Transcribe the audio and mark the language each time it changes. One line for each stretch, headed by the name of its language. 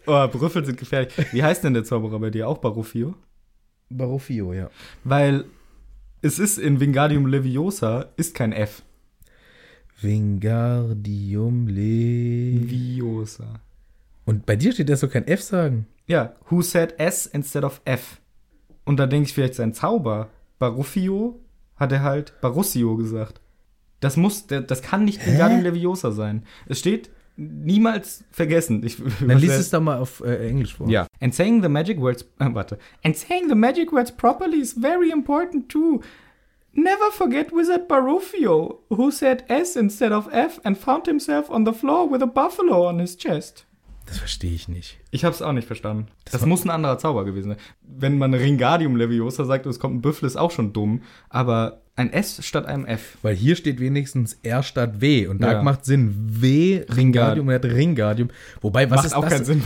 German: Oh, Brüffel sind gefährlich. Wie heißt denn der Zauberer bei dir auch? Barufio? Barufio, ja. Weil es ist in Wingardium Leviosa, ist kein F. Wingardium Leviosa. Und bei dir steht, der soll kein F sagen.
English: Ja, who said S instead of F?
German: Und da denke ich vielleicht sein Zauber. Barufio hat er halt Barussio gesagt. Das muss, das kann nicht Wingardium Leviosa sein. Es steht, niemals vergessen. Dann lies es da mal auf Englisch vor.
English: Ja. And saying the magic words,
German: warte.
English: And saying the magic words properly is very important too. Never forget Wizard Barufio, who said S instead of F and found himself on the floor with a buffalo on his chest.
German: Das verstehe ich nicht. Ich habe es auch nicht verstanden. Das muss ein anderer Zauber gewesen sein. Wenn man Wingardium Leviosa sagt und es kommt ein Büffel, ist auch schon dumm. Aber ein S statt einem F. Weil hier steht wenigstens R statt W. Und da macht Sinn. W, Wingardium, er hat Wingardium. Wobei, was macht ist auch das? Keinen Sinn,